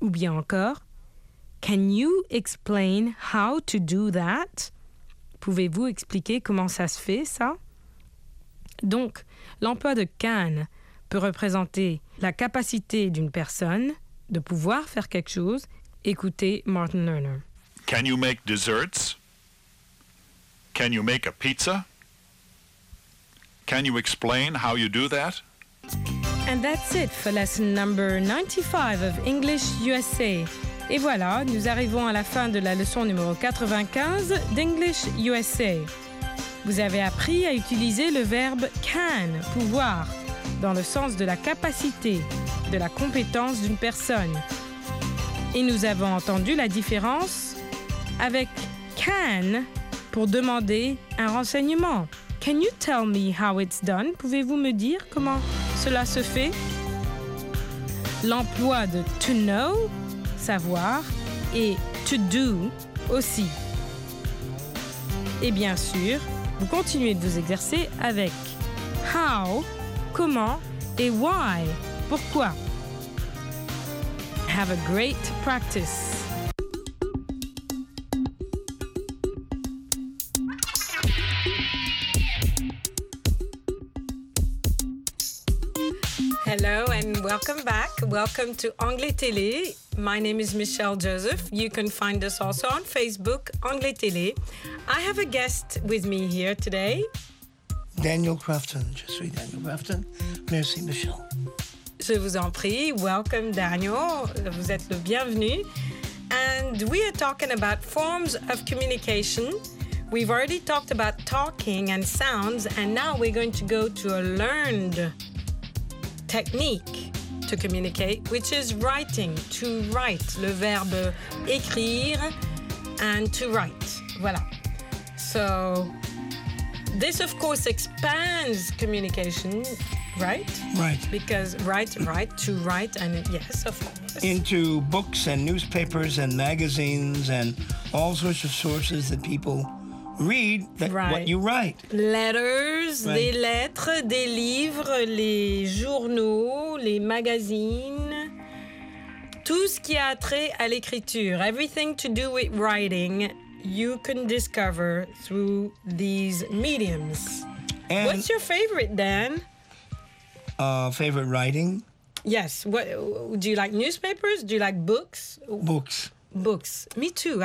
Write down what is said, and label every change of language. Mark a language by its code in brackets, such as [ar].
[fr] Ou bien encore [en] Can you explain how to do that? [fr] Pouvez-vous expliquer comment ça se fait, ça? Donc, l'emploi de can peut représenter la capacité d'une personne de pouvoir faire quelque chose. Écoutez Martin Lerner. [en] Can you make desserts? Can you make a pizza? Can you make a pizza? Can you explain how you do that? And that's it for lesson number 95 of English USA. [fr] Et voilà, nous arrivons à la fin de la leçon numéro 95 d'English USA. Vous avez appris à utiliser le verbe can, pouvoir, dans le sens de la capacité, de la compétence d'une personne. Et nous avons entendu la différence avec can pour demander un renseignement. Can you tell me how it's done? Pouvez-vous me dire comment cela se fait? L'emploi de to know, savoir, et to do aussi. Et bien sûr, vous continuez de vous exercer avec how, comment, et why, pourquoi. [en] Have a great practice. Hello and welcome back. Welcome to Anglais Télé. My name is Michelle Joseph. You can find us also on Facebook, Anglais Télé. I have a guest with me here today. [fr] Daniel Crafton. Je suis Daniel Crafton. Merci, Michelle. Je vous en prie. [en] Welcome, Daniel. [fr] Vous êtes le bienvenu. [en] And we are talking about forms of communication. We've already talked about talking and sounds, and now we're going to go to a learned technique to communicate, which is writing, to write, [fr] le verbe écrire, [en] and to write. Voilà. So, this of course expands communication, right? Right. Because write, and yes, of course. Into books and newspapers and magazines and all sorts of sources that people read that right. What you write. Letters, right. [fr] Des lettres, des livres, les journaux, les magazines, tout ce qui a trait à l'écriture. [en] Everything to do with writing, you can discover through these mediums. And what's your favorite, Dan? Favorite writing? Yes. What, do you like newspapers? Do you like books? Books. Books. Me too.